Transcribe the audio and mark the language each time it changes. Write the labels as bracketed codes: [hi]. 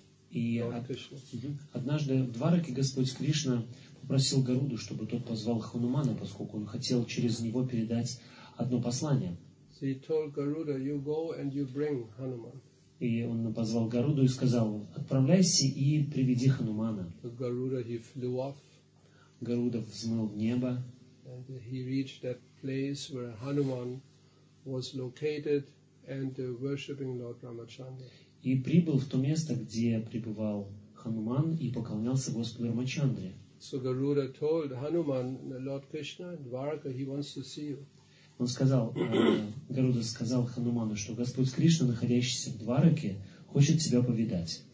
[ru] И однажды в Двараке Господь Кришна попросил Гаруду, чтобы тот позвал Ханумана, поскольку он хотел через него передать одно послание. [en] So he told Garuda, you go and you bring Hanuman. [ru] И он позвал Гаруду и сказал, отправляйся и приведи Ханумана. [en] But Garuda, he flew off. [ru] Гаруда взмыл в небо. [en] And he reached that place where Hanuman was located and worshipping Lord Ramachandra. [ru] И прибыл в то место, где пребывал Хануман и поклонялся Господу Рамачандре. [en] So Garuda told Hanuman, Lord Krishna, Dwarka, he wants to see you. [ru] Он сказал, Гаруда сказал Хануману, что Господь Кришна, находящийся в Двараке, хочет тебя повидать.